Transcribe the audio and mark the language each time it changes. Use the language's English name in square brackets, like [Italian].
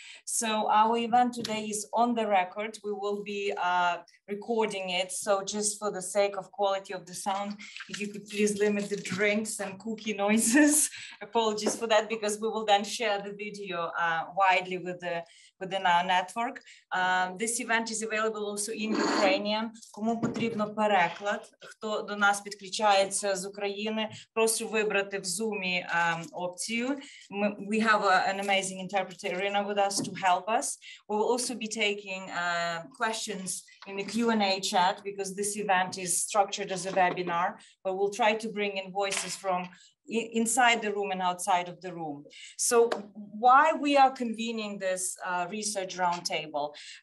[English] So our event today is on the record. We will be recording it. So just for the sake of quality of the sound, if you could please limit the drinks and cookie noises. Apologies for that, because we will then share the video widely within our network. This event is available also in Ukrainian. [Ukrainian] Кому потрібно переклад, хто до нас підключається з України, прошу вибрати в Zoom опцію. [English] We have an amazing interpreter, Irina, with us to help us. We will also be taking questions in the Q&A chat, because this event is structured as a webinar, but we'll try to bring in voices from inside the room and outside of the room. So why we are convening this research roundtable?